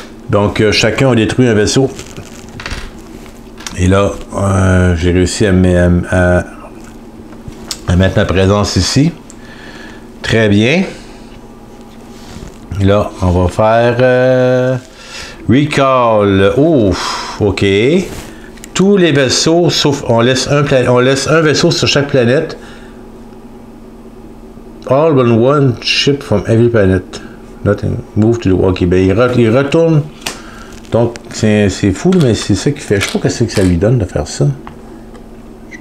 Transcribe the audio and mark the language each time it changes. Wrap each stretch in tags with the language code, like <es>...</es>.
<fr>Donc, chacun a détruit un vaisseau. Et là, j'ai réussi à mettre ma présence ici. Très bien. Là, on va faire recall. Ouf, OK. Tous les vaisseaux, sauf on laisse un vaisseau sur chaque planète.</fr> <en>All but one ship from every planet. Nothing. Move to the... OK,</en> <fr>ben il retourne. Donc, c'est fou, mais c'est ça qui fait... Je sais pas ce que ça lui donne de faire ça. Je</fr>